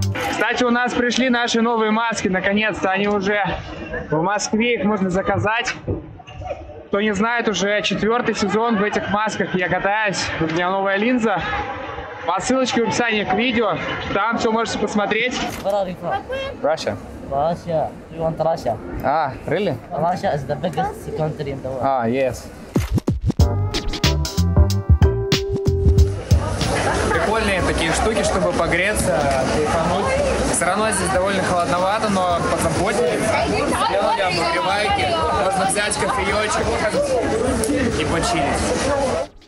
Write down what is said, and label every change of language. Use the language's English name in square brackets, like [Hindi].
[Russian] Кстати, у нас пришли наши новые маски, наконец-то они уже в Москве, их можно заказать. Кто не знает, уже четвертый сезон в этих масках я катаюсь, у меня новая линза. По ссылочке в описании к видео, там все можете посмотреть. [English] Where are you from? Russia. Russia. You want Russia? Ah, really? Russia is the biggest country in the world. Ah, yes. [Russian] Прикольные такие штуки, чтобы погреться, кайфануть. Все равно здесь довольно холодновато, но позаботились. Сделали обогревайки, можно взять кофеечек и почилить.